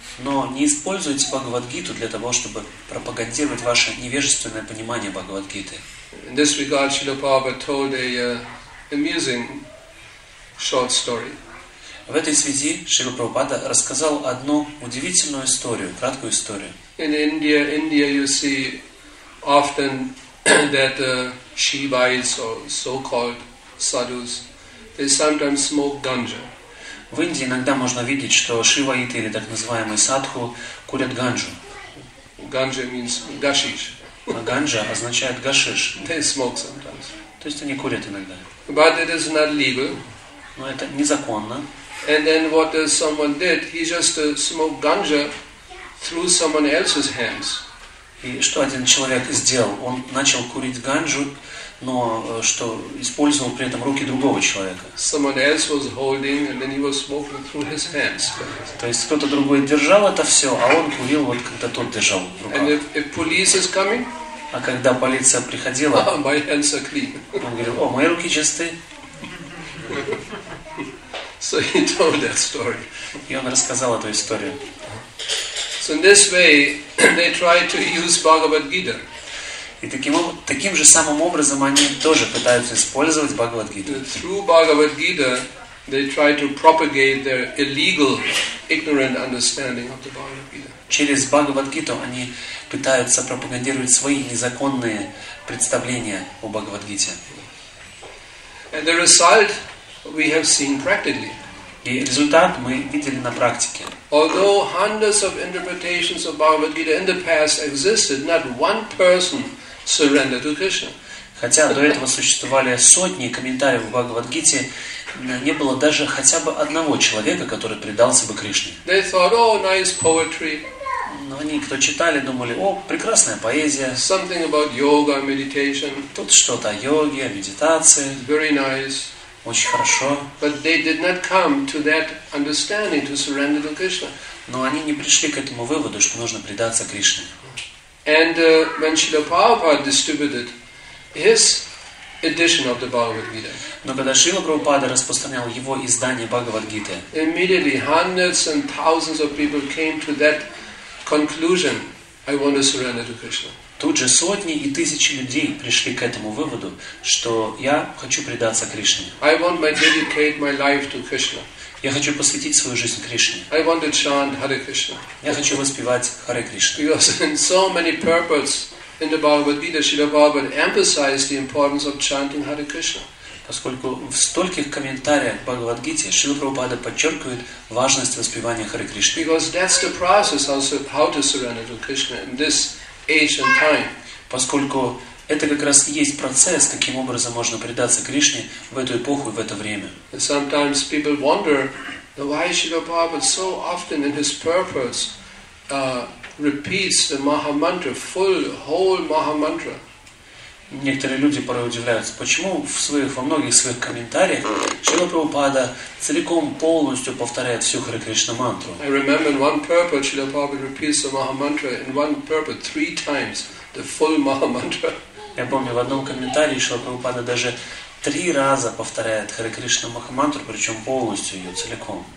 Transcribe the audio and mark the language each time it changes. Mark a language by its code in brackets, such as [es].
[ru] Но не используйте Бхагавад-гиту для того, чтобы пропагандировать ваше невежественное понимание Бхагавад-гиты. [en] In this regard, Srila Prabhupada told an amusing short story. [ru] В этой связи Шрила Прабхупада рассказал одну удивительную историю, краткую историю. [en] In India you see often that Shivites or so-called sadhus, they sometimes smoke ganja. [ru] В Индии иногда можно видеть, что шиваиты или так называемые садху курят ганджу. [en] Ганджа means гашиш. [ru] А ганджа означает гашиш. [en] They smoke sometimes. [ru] То есть они курят иногда. [en] But it is not legal. [ru] Но это незаконно. [en] And then what someone did, he just smoked ganja through someone else's hands. [ru] И что один человек сделал? Он начал курить ганджу, но что использовал при этом руки другого человека. [en] Someone else was holding, and then he was smoking through his hands. [ru] То есть кто-то другой держал это все, а он курил вот когда тот держал в руках. [en] And if police is coming, [ru] а когда полиция приходила, [en] my hands are clean. [ru] Он говорил: о, мои руки чисты. [en] So he told that story. [ru] И он рассказал эту историю. [en] So in this way, they tried to use Bhagavad Gita. [ru] И таким же самым образом они тоже пытаются использовать Бхагавад-гиту. [en] Through Bhagavad-gita, they try to propagate their illegal, ignorant understanding of the Bhagavad-gita. [ru] Через Бхагавад-гиту они пытаются пропагандировать свои незаконные представления о Бхагавад-гите. [en] And the result we have seen practically. [ru] И результат мы видели на практике. [en] Although hundreds of interpretations of Bhagavad-gita in the past existed, not one person surrender to Krishna. [ru] Хотя до этого существовали сотни комментариев в Бхагавад-гите, не было даже хотя бы одного человека, который предался бы Кришне. [en] They thought, oh, nice poetry. [ru] Но они, кто читали, думали: о, прекрасная поэзия. [en] Something about yoga, meditation. [ru] Тут что-то о йоге, о медитации. [en] Very nice. [ru] Очень хорошо. [en] But they did not come to that understanding to surrender to Krishna. [ru] Но они не пришли к этому выводу, что нужно предаться Кришне. [en] And when Srila Prabhupada distributed his edition of the Bhagavad Gita, [ru] но когда Шрила Прабхупада распространял его издание Бхагавад Гиты, [en] immediately hundreds and thousands of people came to that conclusion: I want to surrender to Krishna. [ru] Тут же сотни и тысячи людей пришли к этому выводу, что я хочу предаться Кришне. [en] I want to dedicate my life to Krishna. [ru] Я хочу посвятить свою жизнь Кришне. [en] I want to chant Hare Krishna. [ru] Я хочу воспевать Харе Кришна. [en] Because in so many purports in the Bhagavad Gita, Srila Prabhupada emphasized the importance of chanting Hare Krishna. [ru] Поскольку в стольких комментариях к Бхагавад Гите Шрила Прабхупада подчеркивает важность воспевания Харе Кришны. [en] Because that's the process also how to surrender to Krishna in this age and time. [ru] Поскольку это как раз и есть процесс, каким образом можно предаться Кришне в эту эпоху и в это время. [en] And sometimes people wonder, why Srila Prabhupada so often in his purports repeats the Maha Mantra, full, whole Maha Mantra. [ru] Некоторые люди порой удивляются, почему во многих своих комментариях Шрила Прабхупада целиком, полностью повторяет всю Харе Кришна мантру. [en] I remember in one purport Srila Prabhupada repeats the Maha Mantra in one purport three times, the full Maha Mantra. [ru] Я помню, в одном комментарии Шрила Прабхупада даже три раза повторяет Харе Кришна Махамантру, причем полностью ее, целиком.